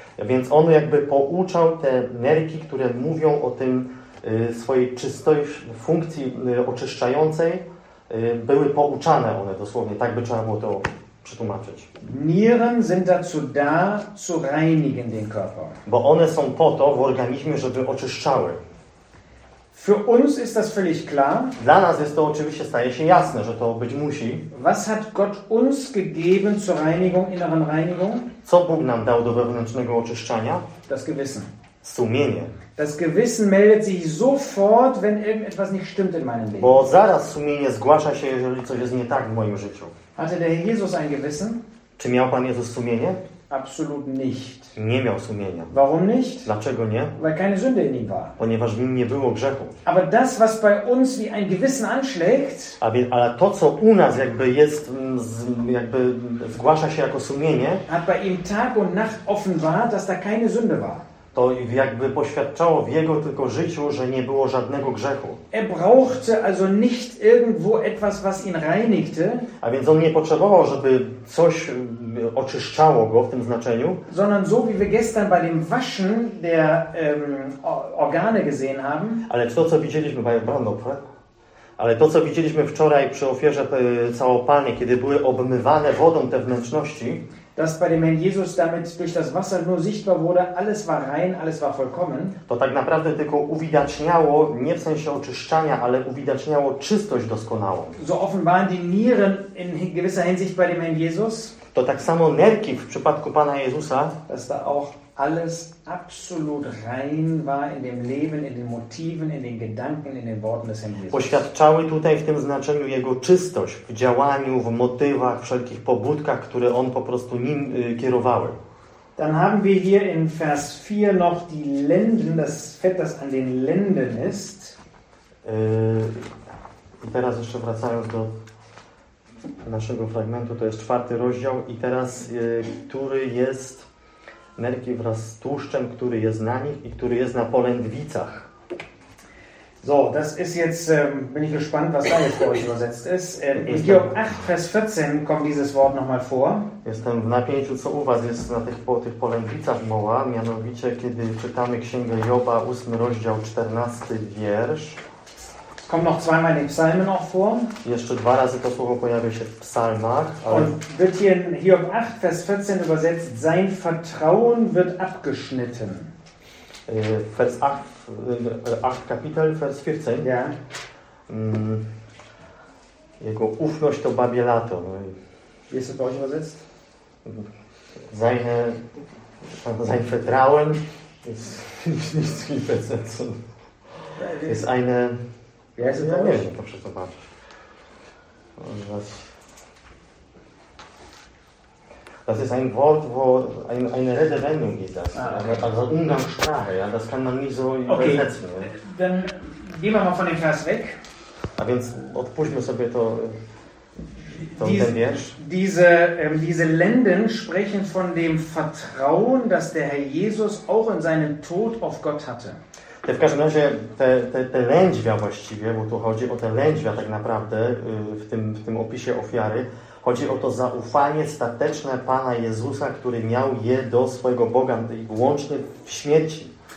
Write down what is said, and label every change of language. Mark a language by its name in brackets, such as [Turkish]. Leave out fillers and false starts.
[Polish] Więc on jakby pouczał te nerki, które mówią o tym swojej czystej funkcji oczyszczającej. Były pouczane one dosłownie, tak by trzeba było to przetłumaczyć. [German] Nieren sind dazu da, zu reinigen den Körper. [Polish] Bo one są po to w organizmie, żeby oczyszczały. [German] Für uns ist das völlig klar. [Polish] Dla nas jest to oczywiście, staje się jasne, że to być musi. [German] Was hat Gott uns gegeben zur Reinigung, inneren Reinigung? [Polish] Co Bóg nam dał do wewnętrznego oczyszczania? [German] Das Gewissen. [Polish] Sumienie. [German] Das Gewissen meldet sich sofort, wenn irgendetwas nicht stimmt in meinem Leben. [Polish] Bo zaraz sumienie zgłasza się, jeżeli coś jest nie tak w moim życiu. [German] Hatte der Jesus ein Gewissen? [Polish] Czy miał Pan Jezus sumienie? [German] Absolut nicht. [Polish] Nie miał sumienia. [German] Warum nicht? [Polish] Dlaczego nie? [German] Weil keine Sünde in ihm war. [Polish] Ponieważ w nim nie było grzechu. [German] Aber das, was bei uns wie ein Gewissen anschlägt, [Polish] ale to, co u nas jakby jest, jakby zgłasza się jako sumienie, [German] hat bei ihm Tag und Nacht offenbart, dass da keine Sünde war. [Polish] to jakby poświadczało w jego tylko życiu, że nie było żadnego grzechu. [German] Er brauchte also nicht irgendwo etwas, was ihn reinigte. [Polish] A więc on nie potrzebował, żeby coś oczyszczało go w tym znaczeniu. [German] Sondern so wie wir gestern bei dem Waschen der Organe gesehen haben. [Polish] Ale to, co widzieliśmy [German] bei Brandopfer. [Polish] Ale to, co widzieliśmy wczoraj przy ofierze całopalnej, kiedy były obmywane wodą te wnętrzności, [German] dass bei dem Herrn Jesus damit durch das Wasser nur sichtbar wurde, alles war rein, alles war vollkommen. [Polish] To tak naprawdę tylko uwidaczniało, nie w sensie oczyszczania, ale uwidaczniało czystość doskonałą. [German] So offenbaren die Nieren in gewisser Hinsicht bei dem Herrn Jesus. [Polish] To tak samo nerki w przypadku Pana Jezusa. [German] Dass da auch alles absolut rein war in dem Leben, in den Motiven, in den Gedanken, in den Worten des Herrn Jesus. [Polish] Poświadczały tutaj w tym znaczeniu jego czystość w działaniu, w motywach, wszelkich pobudkach, które on po prostu nim kierowały. [German] Dann haben wir hier in Vers 4 noch die Lenden, das Fett, das an den Lenden ist. [Polish] I teraz jeszcze wracając do naszego fragmentu, to jest czwarty rozdział i teraz, który jest nerki wraz z tłuszczem, który jest na nich i który jest na polędwicach. [German] So, das ist jetzt, bin ich gespannt, was da jest für euch übersetzt ist. In Hiob 8, Vers 14 kommt dieses Wort nochmal vor. [Polish] Jestem w napięciu, co u was jest na tych, po tych polędwicach mowa, mianowicie, kiedy czytamy Księgę Joba, 8 rozdział, 14 wiersz. [German] Kommt noch zweimal in den Psalmen auch vor. [Polish] Jeszcze dwa razy to słowo pojawia się w Psalmach. Ale... [German] Und wird hier in Hiob 8, Vers 14 übersetzt, sein Vertrauen wird abgeschnitten. Vers 8, 8 Kapitel, Vers 14. Ja. [Polish] Jego ufność to babie lato. [German] Wie ist das bei euch übersetzt? Sein Vertrauen ist nicht zu viel Versetzen. Ist eine... [Polish] Ja, jestem ja, nie wiem, proszę zobaczyć. [German] Das ist ein Wort, wo eine Redewendung ist das. Also Umgangssprache, ja, das kann man nicht so übersetzen. Okay, dann gehen wir mal von dem Vers weg. [Polish] A więc odpuśćmy sobie to, to ten wiersz. [German] Diese Lenden sprechen von dem Vertrauen, das der Herr Jesus auch in seinem Tod auf Gott hatte. [Polish] W każdym razie te lędźwia właściwie, bo tu chodzi o te lędźwia tak naprawdę w tym opisie ofiary, chodzi o to zaufanie stateczne Pana Jezusa, który miał je do swojego Boga, łącznie w śmierci.